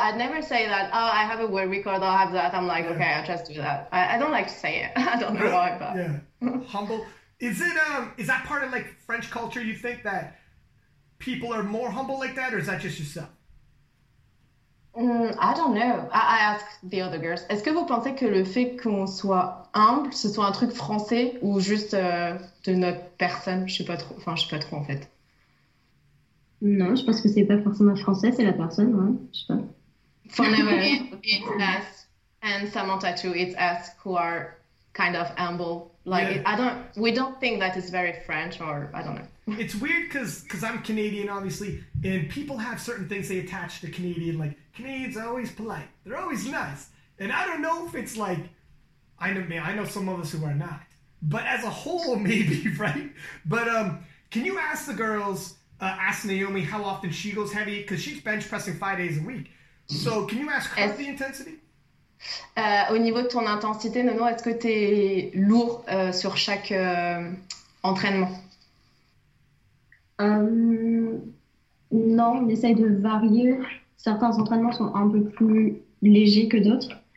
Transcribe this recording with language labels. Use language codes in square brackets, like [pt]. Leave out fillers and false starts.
[en] I'd never say that. Oh, I have a word record, I'll have that. I'm like, Yeah. okay, I'll just do that. I don't like to say it. I don't know Really? why, Yeah. but. Humble. Is that part of like French culture, you think that people are more humble like that, or is that just yourself? I don't know. I ask the other girls. [fr] Est-ce que vous pensez que le fait qu'on soit humble, ce soit un truc français ou juste de notre personne? Je sais pas trop. Enfin, je sais pas trop en fait. Non, je pense que c'est pas forcément français, c'est la personne, ouais. [en] For [fr] Je sais [en] now, it's us and Samantha too. It's us who are kind of humble. Like, Yeah. we don't think that it's very French, or I don't know. It's weird because I'm Canadian, obviously, and people have certain things they attach to Canadian. Like, Canadians are always polite. They're always nice. And I don't know if it's like, I know some of us who are not. But as a whole, maybe, right? But can you ask the girls, ask Naomi how often she goes heavy? Because she's bench pressing 5 days a week. So can you ask her the intensity? [fr] Au niveau de ton intensité, Nono, est-ce que tu es lourd sur chaque entraînement? Non, on essaye de varier. Certains entraînements sont un peu plus légers que d'autres.